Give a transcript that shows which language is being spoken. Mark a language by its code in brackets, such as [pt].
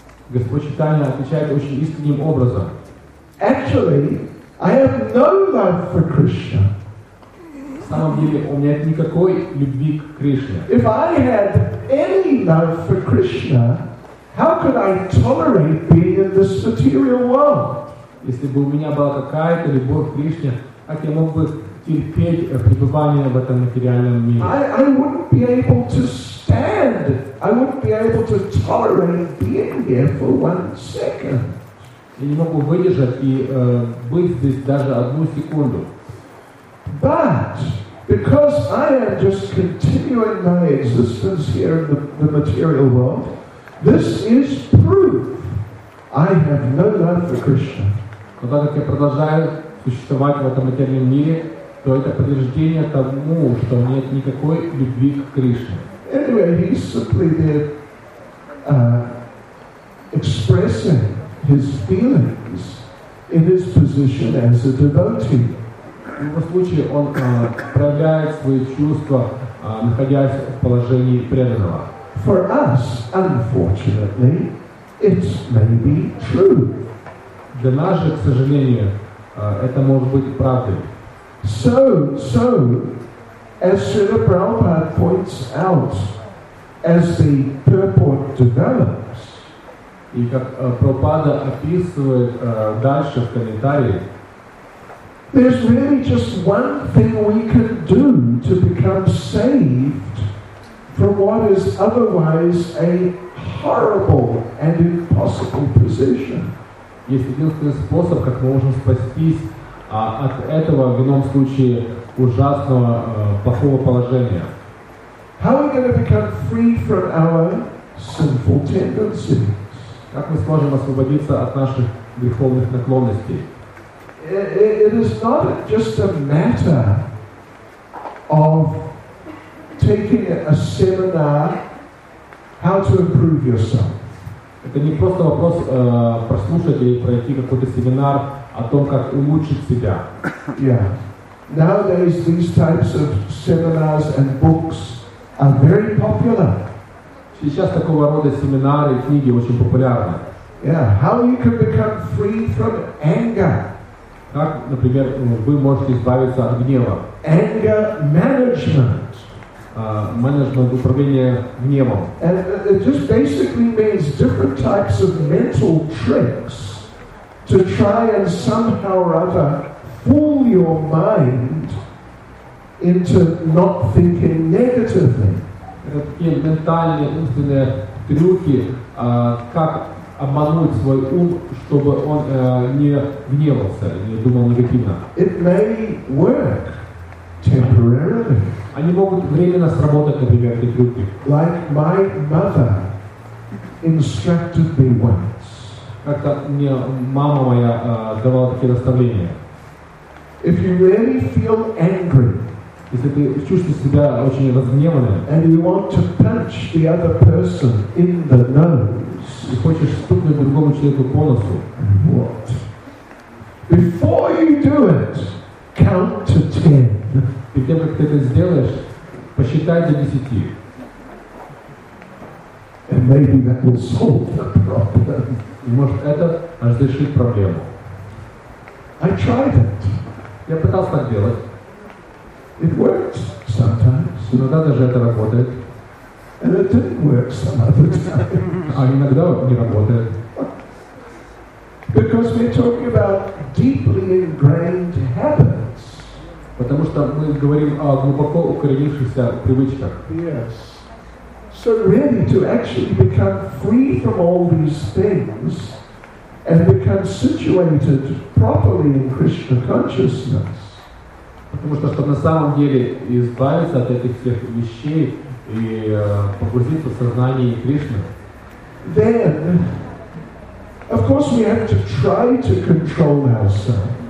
[ru] Господь Чайтанья отвечает очень искренним образом. [en] Actually, I have no love for Krishna. [ru] На самом деле, у меня нет никакой любви к Кришне. [en] If I had any love for Krishna, how could I tolerate being in this material world? [ru] Если бы у меня была какая-то любовь к Кришне, как я мог бы терпеть пребывание в этом материальном мире? [en] I wouldn't be able to stand. I wouldn't be able to tolerate being here for one second. [ru] Я не мог бы выдержать и быть здесь даже одну секунду. [en] But because I am just continuing my existence here in the material world, this is proof I have no love for Krishna. [ru] Но так как я продолжаю существовать в этом материальном мире, то это подтверждение тому, что нет никакой любви к Кришне. [en] Anyway, he's simply there expressing his feelings in his position as a devotee. [ru] В любом случае, он проявляет свои чувства, находясь в положении преданного. [en] For us, unfortunately, it may be true. [ru] Для нас же, к сожалению, это может быть правдой. [en] So, as Srila Prabhupada points out, as the purport develops, [ru] и как Прабхупада описывает дальше в комментарии, [en] there's really just one thing we can do to become saved from what is otherwise a horrible and impossible position. [ru] Есть единственный способ, как мы можем спастись от этого, в ином случае, ужасного, плохого положения. [en] How are we going to become free from our sinful tendencies? [ru] Как мы сможем освободиться от наших греховных наклонностей? [en] It is not just a matter of taking a seminar how to improve yourself. [ru] Это не просто вопрос прослушать или пройти какой-то семинар о том, как улучшить себя. [en] Yeah. Nowadays these types of seminars and books are very popular. [ru] Сейчас такого рода семинары и книги очень популярны. [en] Yeah. How you can become free from anger. [ru] Как, например, вы можете избавиться от гнева? [en] Anger management. [ru] Менеджмент управления гневом. [en] And it just basically means different types of mental tricks to try and somehow or other fool your mind into not thinking negatively. [ru] Это такие ментальные, умственные трюки, как обмануть свой ум, чтобы он не гневался, не думал негативно. [en] It may work temporarily. [ru] Они могут временно сработать, например, эти трюки. [en] Like my mother instructed me once. [ru] Как-то мне мама моя давала такие наставления. [en] If you really feel angry, [ru] если ты чувствуешь себя очень разгневанным, [en] and you want to punch the other person in the nose, [ru] и хочешь стукнуть другому человеку по носу, [en] what? Before you do it, count to 10. [ru] И тем, как ты это сделаешь, посчитай до 10. [en] And maybe that will solve the problem. [ru] И может это разрешит проблему. [en] I tried it. [ru] Я пытался так делать. [en] It works sometimes. [ru] Иногда даже это работает. [en] And it didn't work some other times. [ru] А иногда не работает. [en] Because we're talking about deeply ingrained habits. [ru] Потому что мы говорим о глубоко укоренившихся привычках. [en] Yes. So really to actually become free from all these things and become situated properly in Krishna consciousness. [ru] Потому что, чтобы на самом деле избавиться от этих всех вещей и погрузиться в сознание Кришны. [en] Then, of course, we have to try to control ourselves.